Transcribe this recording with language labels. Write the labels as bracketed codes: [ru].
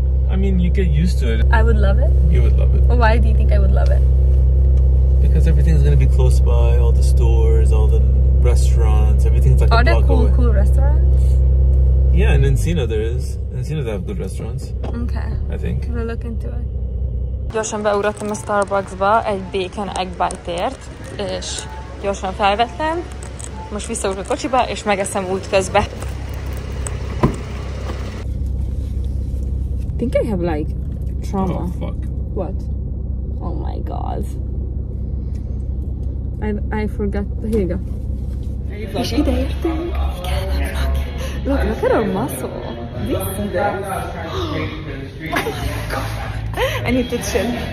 [en] I mean, you get used to it. I would love it? You would love it. Why do you think I would love it? Because everything's going to be close by, all the stores, all the restaurants, everything's like are a block cool, away. Are there cool restaurants? Yeah, in Encino there is. In Encino they have good restaurants. Okay. I think. We'll look into it. [hu] Gyorsan beugrottam a Starbucksba egy bacon egg bite-ért, és gyorsan felvettem. Most visszaugrok a kocsiba, és megeszem útközben. [en] I think I have like trauma. Oh, fuck. What? Oh my god. I forgot. Here you go. [hu] És ide értem. [en] Look, look at her muscle. Do you see that? Oh my god. I need to chill.